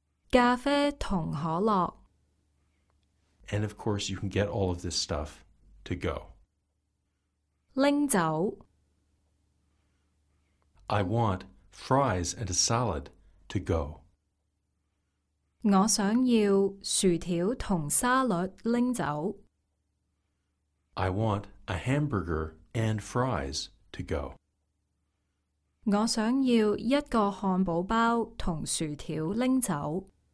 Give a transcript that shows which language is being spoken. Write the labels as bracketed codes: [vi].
[yue] 咖啡同可乐 [en] And of course you can get all of this stuff to go. [yue] 拎走 [en] I want fries and a salad to go. [yue] 我想要薯条同沙律拎走。 [en] I want a hamburger and fries to go. [yue] 我想要一个汉堡包同薯条拎走。